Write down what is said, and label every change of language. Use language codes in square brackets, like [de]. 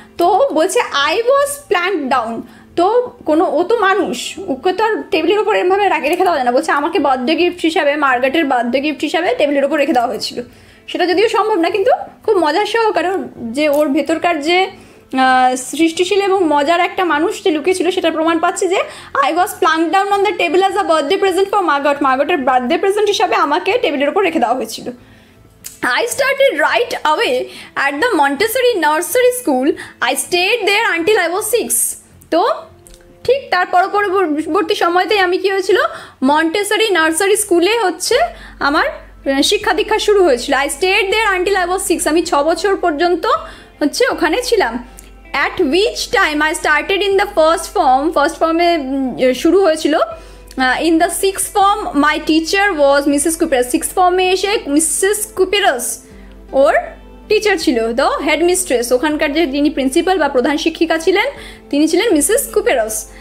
[bn] তো বলছে [en] I was plunk down, [bn] তো কোনো, ও তো মানুষ, ওকে তো আর টেবিলের ওপর এমনভাবে রাখে রেখে দেওয়া যায় না, বলছে আমাকে বার্থডে গিফট হিসাবে, মার্গারেটের বার্থডে গিফট হিসাবে টেবিলের ওপর রেখে দেওয়া হয়েছিল। সেটা যদিও সম্ভব না, কিন্তু খুব মজার সহকারে যে ওর ভেতরকার যে সৃষ্টিশীল এবং মজার একটা মানুষ যে লুকিয়েছিল সেটা প্রমাণ পাচ্ছে যে [en] I was plunk down on the table as a birthday present for Margot, [bn] মাগটের birthday present হিসাবে আমাকে টেবিলের ওপর রেখে দেওয়া হয়েছিল। [en] I started right away at the Montessori nursery school. I stayed there until I was 6. [bn] তো ঠিক তার পরবর্তী সময়তেই আমি কি হয়েছিল, মন্টেসরি নার্সারি স্কুলে হচ্ছে আমার শিক্ষা দীক্ষা শুরু হয়েছিল। [en] I stayed there until I was 6, [bn] আমি 6 বছর পর্যন্ত হচ্ছে ওখানে ছিলাম। [en] at which time I started in the first [bn] ফর্মে শুরু হয়েছিল, [en] in the 6th form my teacher was Mrs Kupiras, [bn] 6th formে এসে মিসেস কুপিরাস ওর টিচার ছিল, [en] the headmistress, [bn] ওখানকার যে যিনি প্রিন্সিপাল বা প্রধান শিক্ষিকা ছিলেন তিনি ছিলেন মিসেস কুপেরস।